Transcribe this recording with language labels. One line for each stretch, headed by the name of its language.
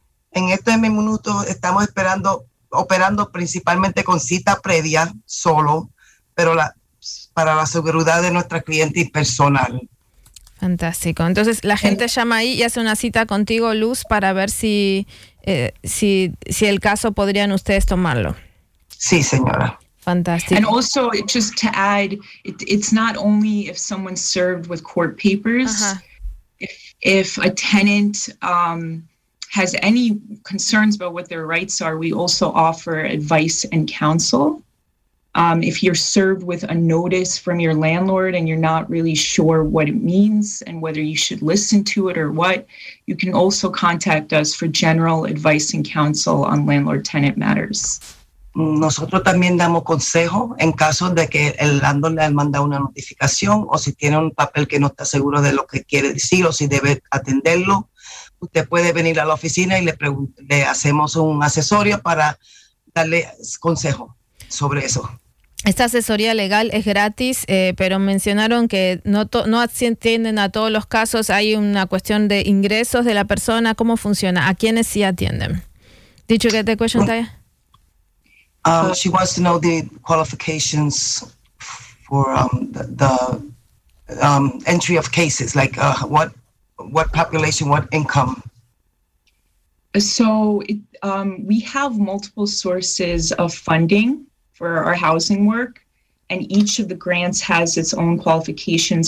Spanish: En este minuto estamos esperando, operando principalmente con cita previa, solo, pero para la seguridad de nuestra cliente y personal. Fantástico. Entonces, la gente llama ahí y hace una cita contigo, Luz, para ver si el caso podrían ustedes tomarlo. Sí, señora.
English: Fantastic. And also, just to add, it's not only if someone served with court papers. Uh-huh. If a tenant has any concerns about what their rights are, we also offer advice and counsel. If you're served with a notice from your landlord and you're not really sure what it means and whether you should listen to it or what, you can also contact us for general advice and counsel on landlord-tenant matters.
Spanish: Nosotros también damos consejo en caso de que el landlord le manda una notificación o si tiene un papel que no está seguro de lo que quiere decir o si debe atenderlo. Usted puede venir a la oficina y le hacemos un asesorio para darle consejo sobre eso. Esta asesoría legal es gratis, pero mencionaron que no atienden a todos los casos. Hay una cuestión de ingresos de la persona. ¿Cómo funciona? ¿A quiénes sí atienden?
English: Did you get the question,
Spanish: Taya?
English: She wants to know the qualifications for the entry of cases, like what population, what income. So we have multiple sources of funding for our housing work, and each of the grants has its own qualifications.